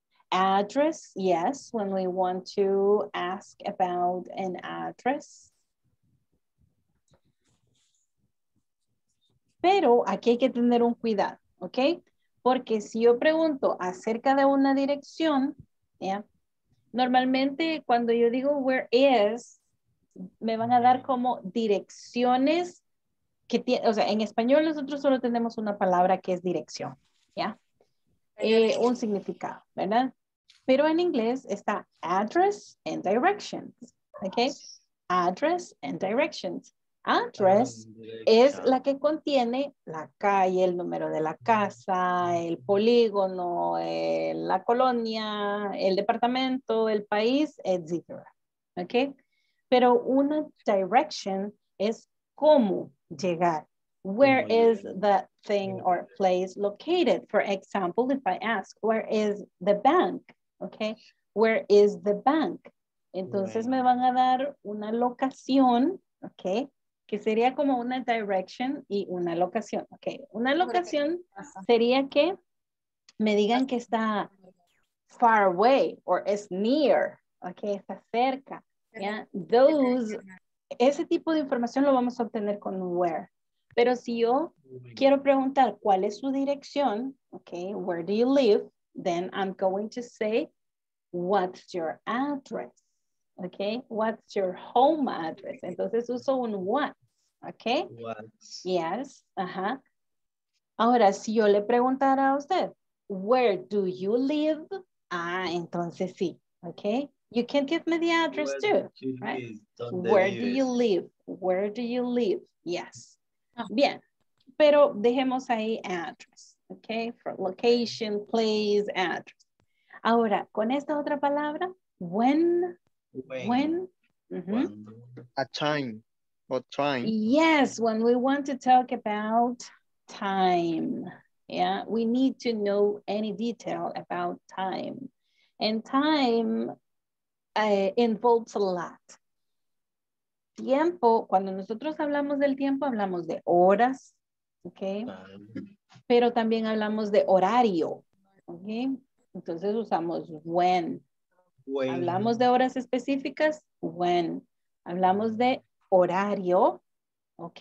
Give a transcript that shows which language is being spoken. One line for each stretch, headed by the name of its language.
English: Address, yes, when we want to ask about an address.
Spanish: Pero aquí hay que tener un cuidado, okay? Porque si yo pregunto acerca de una dirección, Yeah. Normalmente, cuando yo digo where is, me van a dar como direcciones que tiene, o sea, en español nosotros solo tenemos una palabra que es dirección, ¿ya? Un significado, ¿verdad? Pero en inglés está address and directions, ¿ok?
English: Address and directions.
Spanish: Address es la que contiene la calle, el número de la casa, el polígono, la colonia, el departamento, el país, etc. ¿Ok? Pero una direction es cómo llegar.
English: Where is the thing or place located? For example, if I ask, where is the bank? ¿Ok? Where is the bank?
Spanish: Entonces me van a dar una locación, ¿ok? Que sería como una direction y una locación, ¿ok? Una locación sería que me digan que está
English: far away or is near,
Spanish: ¿ok? Está cerca, ¿ya? Yeah. Those, ese tipo de información lo vamos a obtener con where. Pero si yo quiero preguntar cuál es su dirección, ¿ok?
English: Where do you live? Then I'm going to say, what's your address? ¿Ok? What's your home address?
Spanish: Entonces uso un what,
English: ¿ok? What?
Spanish: Yes, ajá. Ahora, si yo le preguntara a usted,
English: where do you live?
Spanish: Ah, entonces sí, ¿ok?
English: You can give me the address where too, right? Where do you live? Where do you live? Yes.
Spanish: Bien, pero dejemos ahí address, ¿ok?
English: For location, place, address.
Spanish: Ahora, con esta otra palabra, when?
English: Mm-hmm. When? A time or time. Yes, when we want to talk about time. Yeah, we need to know any detail about time. And time involves a lot.
Spanish: Tiempo, cuando nosotros hablamos del tiempo, hablamos de horas, ¿ok? Pero también hablamos de horario, ¿ok? Entonces usamos when.
English: When.
Spanish: Hablamos de horas específicas, when. Hablamos de horario, ¿ok?